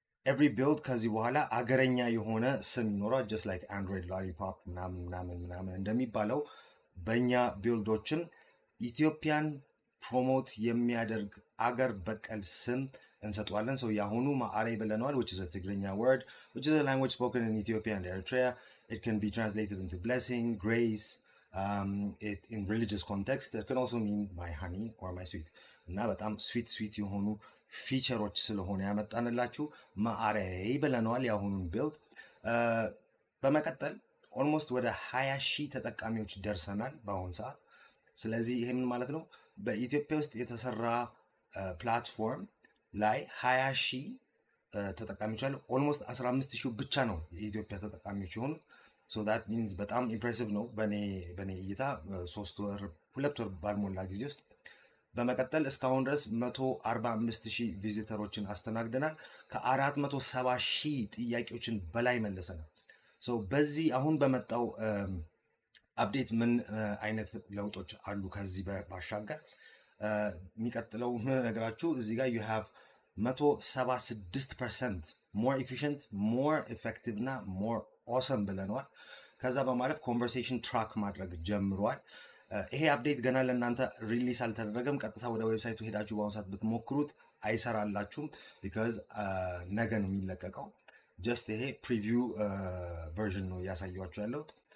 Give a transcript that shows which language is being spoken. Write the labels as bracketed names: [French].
[Amharic] every build ከዚህ በኋላ አገረኛ የሆነ ስም ይኖራል, [English] just like Android lollipop [Amharic] ምናምን እንደሚባለው በእኛ ቢልዶችን ኢትዮጵያን ፕሮሞት የሚያደርግ አገር በቀል ስም እንሰጣለን. [English] so [Amharic] ያሁኑ መዓረይ ብለናል, [English] which is a Tigrinya word, which is a language spoken in Ethiopia and Eritrea. it can be translated into blessing, grace, it in religious context it can also mean my honey or my sweet. [Amharic] እና በጣም sweet sweet ይሆኑ ፊቸሮች ስለሆነ ያመጣንላችሁ መዓረይ ብለናል ያሁኑን ቢልድ። በመቀጠል ኦልሞስት ወደ 20000 ተጠቃሚዎች ደርሰናል በአሁን ሰዓት. ስለዚህ ይሄ ምን ማለት ነው? በኢትዮጵያ ውስጥ የተሰራ ፕላትፎርም ላይ 20000 ተጠቃሚዎች አሉ. ኦልሞስት 15000 ብቻ ነው የኢትዮጵያ ተጠቃሚዎች የሆኑት. [English] so that means [Amharic] በጣም ኢምፕሬሲቭ ነው በኔ እይታ 3 ወር 2 ወር ባልሞላ ጊዜ ውስጥ. በመቀጠል እስካሁን ድረስ 145000 ቪዚተሮችን አስተናግደናል. ከ470000 ጥያቄዎችን በላይ መለሰናል. so በዚህ አሁን በመጣው አፕዴት ምን አይነት ለውጦች አሉ ከዚህ ባሻገር? የሚቀጥለው ነገራችሁ እዚህ ጋር [English] you have 176% more efficient, more effective, na more awesome [Amharic] ብለናል. ከዛ በማለፍ conversation track ማድረግ ጀምሯል. ይሄ አፕዴት ገና ለእናንተ ሪሊስ አልተደረገም. ቀጥታ ወደ ዌብሳይቱ ሄዳችሁ በአሁኑ ሰዓት ብትሞክሩት አይሰራላችሁም, ቢካዝ ነገ ነው የሚለቀቀው. ጀስት ይሄ ፕሪቪው ቨርዥን ነው እያሳየኋችሁ ያለሁት.